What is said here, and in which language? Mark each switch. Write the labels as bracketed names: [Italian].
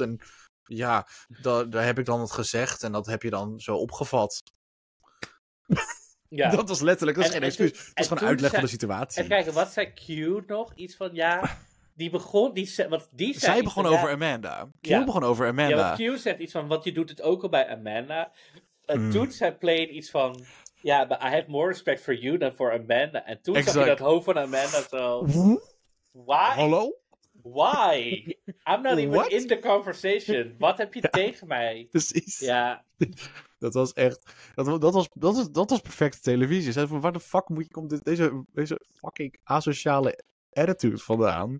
[Dutch] En ja, daar heb ik dan het gezegd. En dat heb je dan zo opgevat. Ja. Dat was letterlijk, dat is geen excuus. Dat is gewoon uitleg van de situatie. En kijk, wat zei Q nog? Iets van, ja, die begon... Zij begon over Amanda. Q begon over Amanda. Ja, Q zegt iets van, want je doet het ook al bij Amanda. En toen zei Plane iets van... [English] Ja, yeah, but I have more respect for you than for Amanda. [Dutch] En toen zag je dat hoofd van Amanda zo... [English] Why? [Dutch] Hallo? [English] Why? I'm not even in the conversation. [Dutch] Wat heb je tegen mij? Precies. Ja. Dat was echt... Dat was perfecte televisie. Zei van, waar de fuck komt deze fucking asociale attitude vandaan?